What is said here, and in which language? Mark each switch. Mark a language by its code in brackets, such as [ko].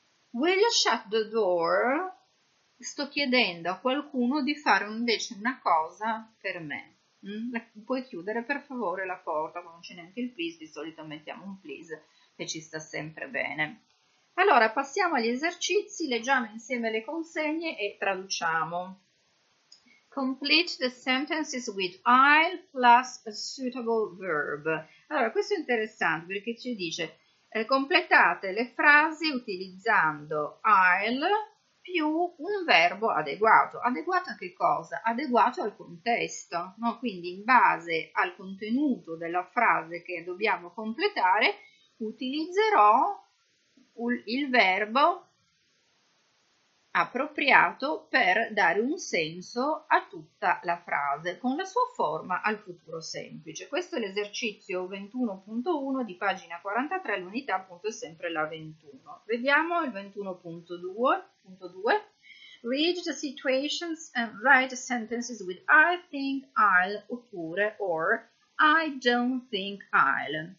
[en] Will you shut the door? [it] Sto chiedendo a qualcuno di fare invece una cosa per me. Puoi chiudere per favore la porta, non c'è neanche il please, di solito mettiamo un please che ci sta sempre bene. Allora, passiamo agli esercizi, leggiamo insieme le consegne e traduciamo. [en] Complete the sentences with I'll plus a suitable verb. [it] Allora, questo è interessante perché ci dice completate le frasi utilizzando I'll più un verbo adeguato. Adeguato a che cosa? Adeguato al contesto, no? Quindi in base al contenuto della frase che dobbiamo completare, utilizzerò il verbo appropriato per dare un senso a tutta la frase con la sua forma al futuro semplice. Questo è l'esercizio 21.1 di pagina 43, l'unità appunto è sempre la 21. Vediamo il 21.2. [en] Read the situations and write sentences with I think I'll oppure or I don't think I'll.